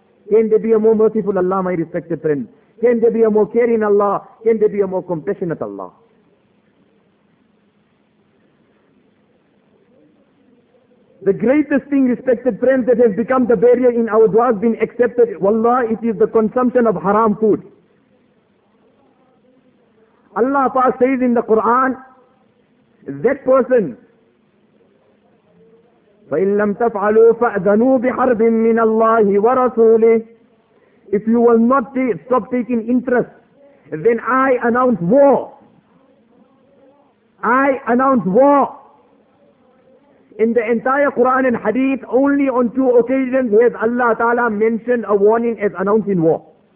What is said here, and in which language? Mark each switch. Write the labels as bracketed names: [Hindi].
[English] Can there be a more merciful Allah, my respected friend? Can there be a more caring Allah? Can there be a more compassionate Allah? The greatest thing, respected friends, that has become the barrier in our dua has been accepted. Wallah, it is the consumption of haram food. Allah says in the Quran, that person, [Arabic] فَإِن لَمْ تَفْعَلُوا فَأْذَنُوا بِحَرْبٍ مِّنَ اللَّهِ وَرَسُولِهِ. [English] If you will not stop taking interest, then I announce war. I announce war. In the entire Quran and Hadith, only on two occasions has Allah Ta'ala mentioned a warning as announcing war.